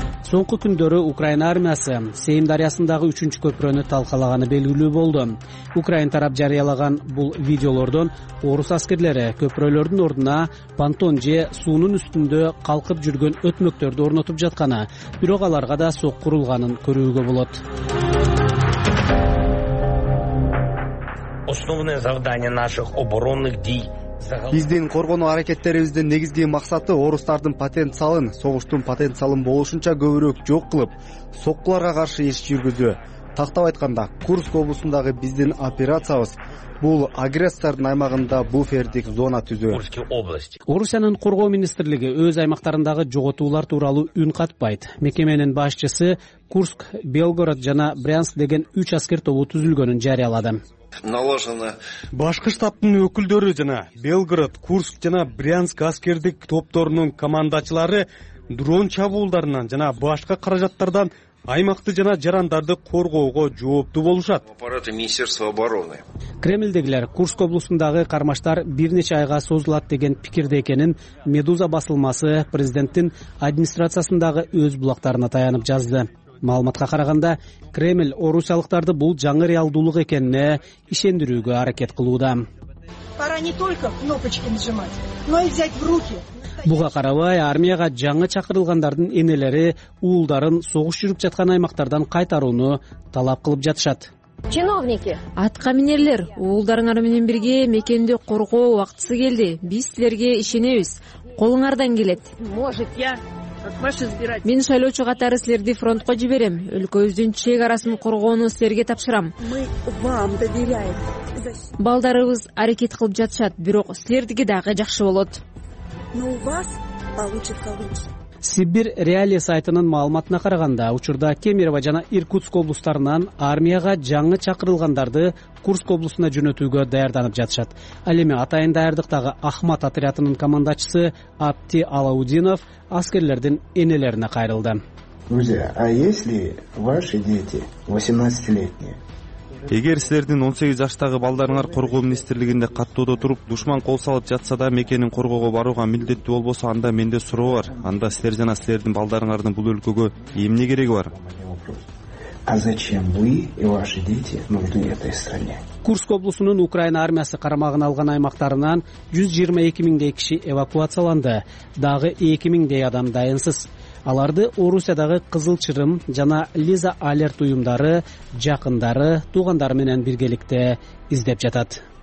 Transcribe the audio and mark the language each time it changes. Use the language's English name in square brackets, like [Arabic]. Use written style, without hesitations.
[Kyrgyz] Соңку күндөрү Украина армиясы Сейм дарыясындагы 3-чү көпүрөнү талкалаганы белгилүү болду. Украин тарап жарыялаган бул видеолордон орус аскерлери көпүрөлөрдүн ордуна понтон же суунун үстүндө калкып жүргөн өтмөктөрдү орнотуп жатканы, бирок аларга да соккурулганын көрүүгө болот. [Russian] Основное задание наших оборонных дий. [Kyrgyz] Биздин коргоно аракеттерибиздин негизги максаты орустардын потенциалын, согуштун потенциалын болушунча көбүрөөк жок кылып, соккуларга каршы иш жүргүзүү. Тактап айтканда, Курск облусундагы биздин операциябыз бул агрессордун аймагында буфердик зона түзүү. Орусиянын коргоо министрлиги өз аймактарындагы жоготуулар тууралуу үн катпайт. Мекеменин башчысы Курск, Белгород жана Брянск деген 3 аскер тобу түзүлгөнүн жарыялады. [Russian] Наложено. [Kyrgyz] Башкы штабтын өкүлдөрү жана Белгород, Курск жана Брянск аскердик топторунун командачылары дрон чабуулдарынан жана башка каражаттардан аймакты жана жарандарды коргоого жооптуу болушат. [Russian] Аппараты Министерства обороны. [Kyrgyz] Кремльдегилер Курск облусундагы кармаштар бир нече айга созулат деген пикирде экенин Медуза басылмасы президенттин администрациясындагы өз булактарына таянып жазды. Маалыматка караганда, Кремль орусиялыктарды бул жаңы реалдуулук экенине ишендирүүгө аракет кылууда. [Russian] Пора не только кнопочки нажимать, но и взять в руки. [Kyrgyz] Буга карабай, армияга жаңы чакырылгандардын энелери уулдарын согуш жүрүп жаткан аймактардан кайтарууну талап кылып жатышат. [Russian] Чиновники, [Kyrgyz] атка минерлер, уулдарыңар менен бирге мекенди коргоо убактысы келди. Биз силерге ишенебиз. Колуңардан келет. [Russian] Может, я [Kyrgyz] Мен шайлоочу катары силерди фронтко жиберем. Өлкөбүздүн чек арасын коргоону силерге тапшырам. Балдарыбыз аракет кылып жатышат, бирок силердики дагы жакшы болот. Сибир Реалия сайтынын маалыматына караганда, учурда Кемерово жана Иркутск облустарынан армияга жаңы чакырылгандарды Курск облусуна жөнөтүүгө даярданып жатышат. Ал эми атайын даярдыктагы Ахмат отрядынын командачысы Апти Алаудинов аскерлердин энелерине кайрылды. [Russian] Друзья, а если ваши дети 18-летние? [Kyrgyz] Эгер силердин 18 жаштагы балдарыңар коргоо министрлигинде каттоодо туруп, душман кол салып жатса да мекенин коргоого барууга милдеттүү болбосо, анда менде суроо бар. Анда силер жана силердин балдарыңардын бул өлкөгө эмне кереги бар? [Russian] А зачем вы и ваши дети нужны этой стране? [Kyrgyz] Курск облусунун Украина армиясы карамагына алган аймактарынан 122 000 киши эвакуацияланды. Дагы 2 000 адам дайынсыз. Аларды Орусиядагы Кызыл Чырым жана Лиза Алерт уюмдары, жакындары, туугандары менен биргеликте издеп жатат.